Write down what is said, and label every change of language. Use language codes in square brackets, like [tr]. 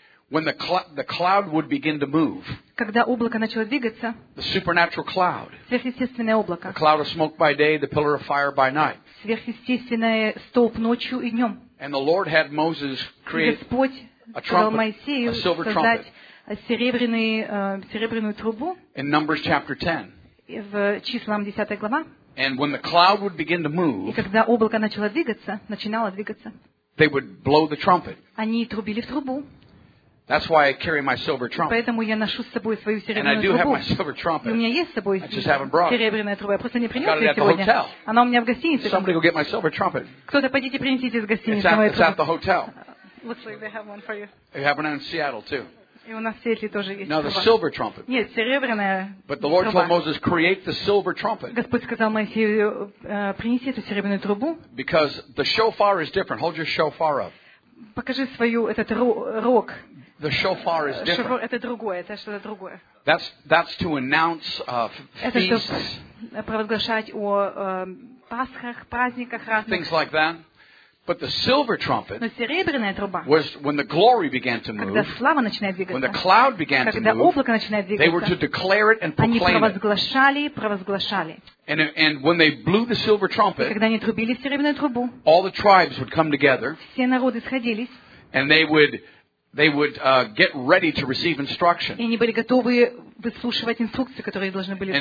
[en] When the cloud would begin to move, [ru] когда облако начало двигаться, [en] the supernatural cloud, [ru] сверхъестественное облако, [en] the cloud of smoke by day, the pillar of fire by night, [ru] сверхъестественное столб ночью и днем, [en] And the Lord had Moses create a trumpet, a silver trumpet. [ru] Серебряную трубу. [en] In Numbers chapter 10. [ru] В числам 10 глава. [en] And when the cloud would begin to move. [ru] И когда облако начало двигаться, начинало двигаться. [en] They would blow the trumpet. [ru] Они трубили в трубу. [en] That's why I carry my silver trumpet. [ru] Поэтому я ношу с собой свою серебряную трубу. [en] And I do have my silver trumpet. [ru] У меня есть с собой серебряная труба. Я просто не принес ее сегодня. Она у меня в гостинице. [en] Somebody go get my silver trumpet. [ru] Кто-то пойдите принесите из гостиницы мою трубу. [en] It's at the hotel. Looks like they have one for you. They have one in Seattle too. [ru] И у нас в Сиэтле тоже есть. [en] Now the silver trumpet. [ru] Нет, серебряная труба. [en] But the Lord told Moses, create the silver trumpet. [ru] Господь сказал Моисею, принеси эту серебряную трубу. [en] Because the shofar is different. Hold your shofar up. [ru] Покажи свою этот рог. [en] The shofar is different. [ru] Шофар это другое, это что-то другое. [en] That's to announce feasts. [ru] Это провозглашать о Пасхах, праздниках разных. [en] Things like that. But the silver trumpet was when the glory began to move, [ru] когда слава начинает двигаться, [en] when the cloud began [ru] когда [en] to move, [ru] облако начинает двигаться, [en] they were to declare it and proclaim it. [ru] Они провозглашали, провозглашали. [en] And when they blew the silver trumpet, [ru] и когда они трубили в серебряную трубу, [en] all the tribes would come together, [ru] все народы сходились, [en] and they would get ready to receive instruction. [ru] И они были готовы выслушивать инструкции, которые должны были быть